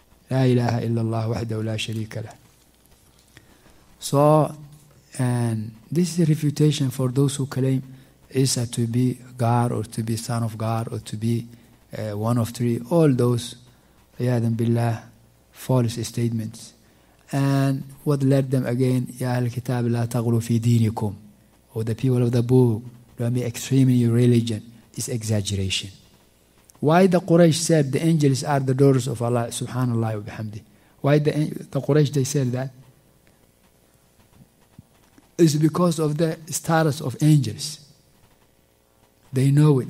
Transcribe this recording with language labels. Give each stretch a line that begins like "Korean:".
Arabic: لا إله إلا الله وحده لا شريك له.
English: So, and this is a refutation for those who claim Isa to be God or to be son of God or to be one of three. All those,
Arabic: iyadan billah,
English: false statements. And what led them again,
Arabic: يا الكتاب لا تغلو في دينكم.
English: Or the people of the book, don't be extreme in your religion. It's exaggeration. Why the Quraysh said the angels are the daughters of Allah,
Arabic: subhanallah wa bihamdi.
English: Why the Quraysh, they said that? It's because of the status of angels. They know it.